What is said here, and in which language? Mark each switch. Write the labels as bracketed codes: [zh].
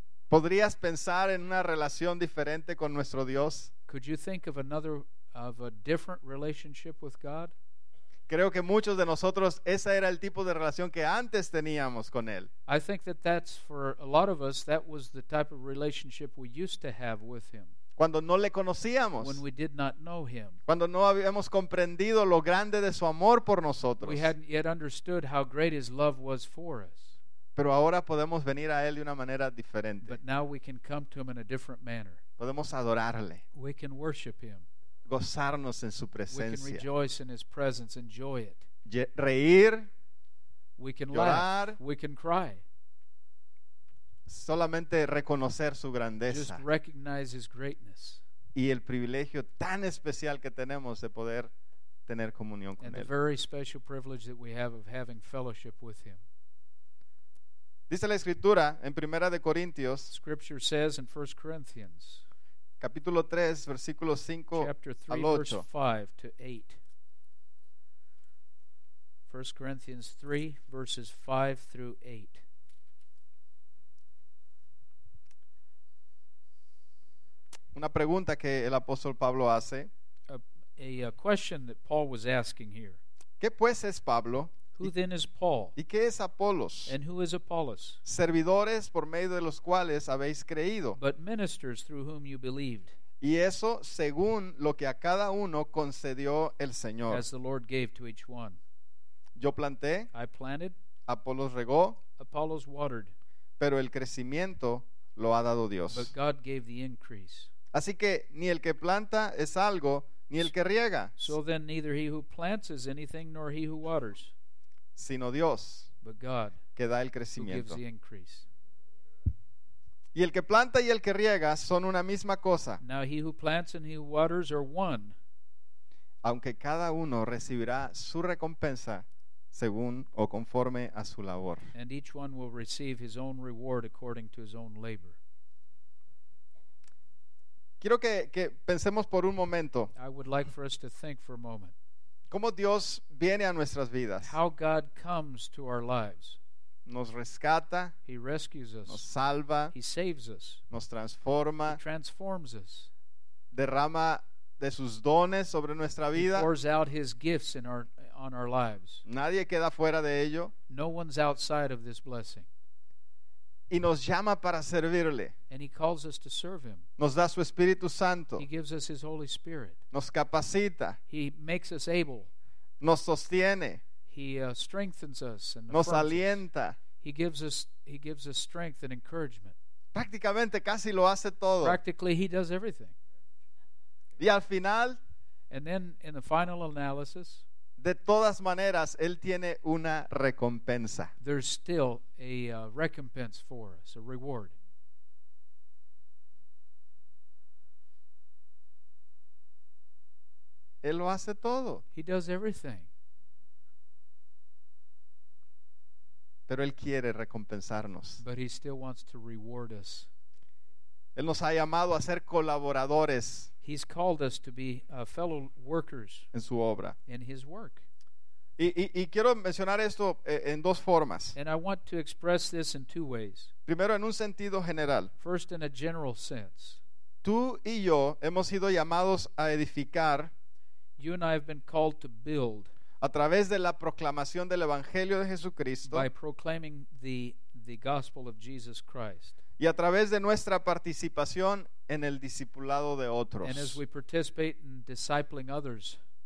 [es] ¿Podrías pensar en una relación diferente con nuestro Dios? [en] Could you think of another, of a different relationship with God? [es] Creo que muchos de nosotros, ese era el tipo de relación que antes teníamos con Él. [en] I think that that's for a lot of us, that was the type of relationship we used to have with Him. [es] Cuando no le conocíamos. [en] When we did not know Him. [es] Cuando no habíamos comprendido lo grande de su amor por nosotros. [en] We hadn't yet understood how great His love was for us. [es] Pero ahora podemos venir a Él de una manera diferente. [en] But now we can come to Him in a different manner. [es] Podemos adorarle. [en] We can worship Him. [es] Gozarnos en su presencia. [en] We can rejoice in His presence, enjoy it. [es] Reír. [en] We can [es] llorar. [en] Laugh. We can cry. [es] Solamente reconocer su grandeza. [en] Just recognize His greatness. [es] Y el privilegio tan especial que tenemos de poder tener comunión con [en] and [es] Él. [en] And the very special privilege that we have of having fellowship with Him. [es] Dice la Escritura en Primera de Corintios. [en] Scripture says in 1 Corinthians. [es] Capítulo 3, versículo 5 [en] chapter 3, [es] al 8. [en] Verse 5 to 8. 1 Corinthians 3, verses 5 through 8. [es] Una pregunta que el apóstol Pablo hace. [en] A question that Paul was asking here. [es] ¿Qué pues es Pablo? [en] Who then is Paul? [es] ¿Y qué es Apolos? [en] And who is Apollos? [es] Servidores por medio de los cuales habéis creído. [en] But ministers through whom you believed. [es] Y eso según lo que a cada uno concedió el Señor. [en] As the Lord gave to each one. [es] Yo planté. [en] I planted. [es] Apolos regó. [en] Apollos watered. [es] Pero el crecimiento lo ha dado Dios. [en] But God gave the increase. [es] Así que ni el que planta es algo, ni el que riega. [en] So then neither he who plants is anything nor he who waters. [es] Sino Dios, [en] but God, [es] que da el crecimiento. [en] Who gives the increase. [es] Y el que planta y el que riega son una misma cosa. [en] Now he who plants and he who waters are one. [es] Aunque cada uno recibirá su recompensa según o conforme a su labor. [en] And each one will receive his own reward according to his own labor. [es] Quiero que pensemos por un momento. [en] I would like for us to think for a moment. [es] ¿Cómo Dios viene a nuestras vidas? [en] How God comes to our lives. [es] Nos rescata. [en] He rescues us. [es] Nos salva. [en] He saves us. [es] Nos transforma. [en] He transforms us. [es] Derrama de sus dones sobre nuestra vida. [en] He pours out His gifts in our, on our lives. [es] Nadie queda fuera de ello. [en] No one's outside of this blessing. [es] Y nos llama para servirle. [en] And He calls us to serve Him. [es] Nos da su Espíritu Santo. [en] He gives us His Holy Spirit. [es] Nos capacita. [en] He makes us able. [es] Nos sostiene. [en] He strengthens us and [es] nos alienta. [en] He gives us strength and encouragement. [es] Prácticamente casi lo hace todo. [en] Practically He does everything. [es] Y al final, [en] and then in the final analysis, [es] de todas maneras, Él tiene una recompensa. [en] There's still a recompense for us, a reward. [es] Él lo hace todo. [en] He does everything. [es] Pero Él quiere recompensarnos. [en] But He still wants to reward us. [es] Él nos ha llamado a ser colaboradores. [en] He's called us to be fellow workers [es] en su obra. [en] In His work. [es] Y quiero mencionar esto en dos formas. [en] And I want to express this in two ways. [es] Primero, en un sentido general. [en] First, in a general sense. [es] Tú y yo hemos sido llamados a edificar. [en] You and I have been called to build. [es] A través de la proclamación del Evangelio de Jesucristo. [en] By proclaiming the gospel of Jesus Christ. [es] Y a través de nuestra participación en el discipulado de otros. [en] And as we participate in discipling others.